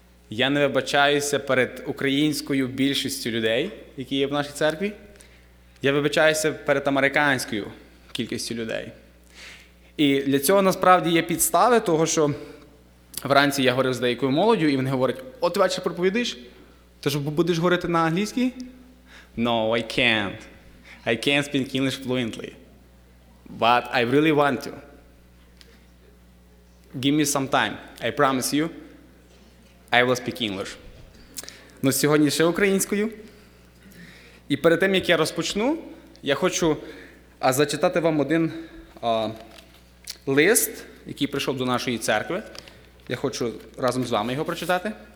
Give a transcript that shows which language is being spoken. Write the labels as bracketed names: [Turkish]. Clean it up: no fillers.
[Ukrainian] Я не вибачаюся перед українською більшістю людей, які є в нашій церкві. Я вибачаюся перед американською кількістю людей. І для цього насправді є підстави того, що вранці я говорив з деякою молоддю, і вони говорять, от вечір проповідиш, то ж будеш говорити на англійській? [English] No, I can't. I can't speak English fluently. But I really want to. Give me some time. I promise you, I will speak English. [Ukrainian] Но сьогодні ще українською. І перед тим, як я розпочну, я хочу зачитати вам один лист, який прийшов до нашої церкви. Я хочу разом з вами його прочитати.